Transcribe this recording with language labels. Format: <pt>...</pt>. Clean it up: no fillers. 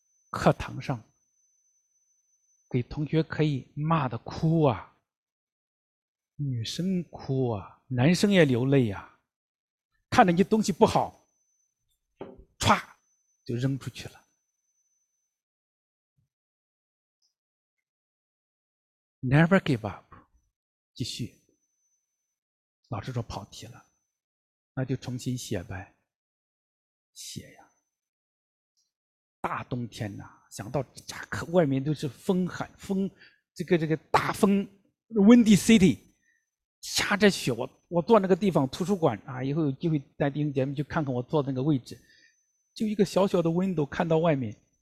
<zh>课堂上给同学可以骂的哭啊，女生哭啊，男生也流泪啊，看着你东西不好唰就扔出去了。</zh> <en>Never give up,</en> <zh>继续。老师说跑题了，那就重新写呗。写呀，大冬天呐，想到外面都是风寒风，这个大风 ,Windy City, 下着雪，我坐那个地方图书馆啊，以后有机会带弟兄姐妹去看看我坐的那个位置，就一个小小的 window 看到外面。</zh>